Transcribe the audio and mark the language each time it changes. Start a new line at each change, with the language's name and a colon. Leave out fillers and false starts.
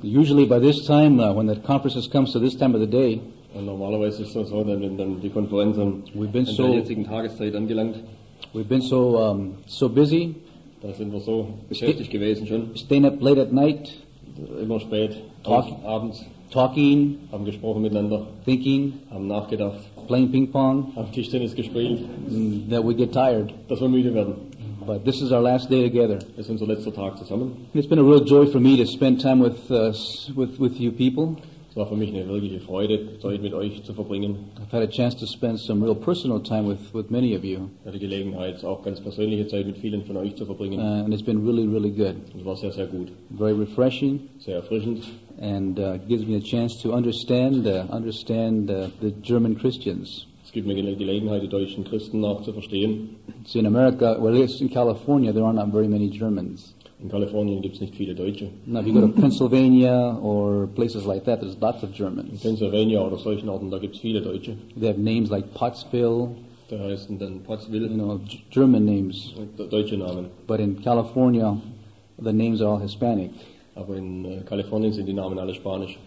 English: Usually by this time, when the conference comes to this time of the day,
German: und normalerweise ist das so, wenn dann die Konferenz der jetzigen Tageszeit angelangt.
English: We've been so busy.
German: Da sind wir so beschäftigt gewesen schon.
English: Staying up late at night.
German: Immer spät. Abends.
English: Talking.
German: Haben gesprochen miteinander.
English: Thinking.
German: Haben nachgedacht.
English: Playing ping pong.
German: Haben Tischtennis gespielt.
English: That we get tired.
German: Dass wir müde werden.
English: But this is our last day together.
German: Es ist unser letzter Tag zusammen.
English: It's been a real joy for me to spend time with you people.
German: Es war für mich eine wirkliche Freude, Zeit mit euch zu verbringen.
English: I've had a chance to spend some real personal time with many of you.
German: Ich hatte Gelegenheit, auch ganz persönliche Zeit mit vielen von euch zu verbringen.
English: And it's been really, really good.
German: Es war sehr, sehr gut.
English: Very refreshing.
German: Sehr erfrischend.
English: And gives me a chance to understand the German Christians.
German: Es gibt mir eine Gelegenheit, die deutschen Christen auch zu verstehen.
English: See, in America, well, at least in California, there are not very many Germans.
German: In Kalifornien gibt es nicht viele Deutsche.
English: Now, if you go to Pennsylvania or places like that, there's lots of Germans.
German: In Pennsylvania oder solchen Orten, da gibt es viele Deutsche.
English: They have names like Pottsville.
German: Da heißen dann Pottsville.
English: You know, German names.
German: Deutsche Namen.
English: But in California, the names are all Hispanic.
German: Aber in Kalifornien sind die Namen alle Spanisch.